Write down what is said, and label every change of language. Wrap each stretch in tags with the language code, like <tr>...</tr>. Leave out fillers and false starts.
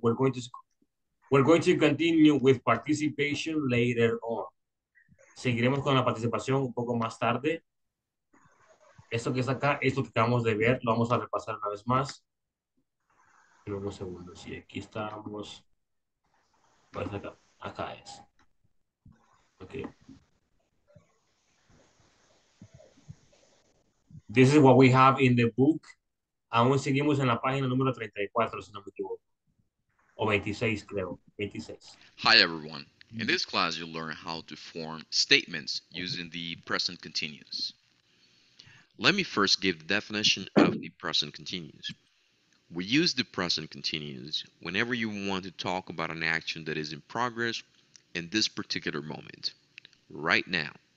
<en>We're going to continue with participation later on.</en> <es>Seguiremos con la participación un poco más tarde. Esto que está acá, esto que acabamos de ver, lo vamos a repasar una vez más. En unos segundos. Y aquí estamos. Pues acá. Acá es. Ok.</es> <en>This is what we have in the book.</en> <es>Aún seguimos en la página número 34, si no me equivoco. O 26, creo. 26.</es> <en>Hi, everyone. In this class, you'll learn how to form statements using the present continuous. Let me first give the definition of the present continuous. We use the present continuous whenever you want to talk about an action that is in progress in this particular moment, right now.</en>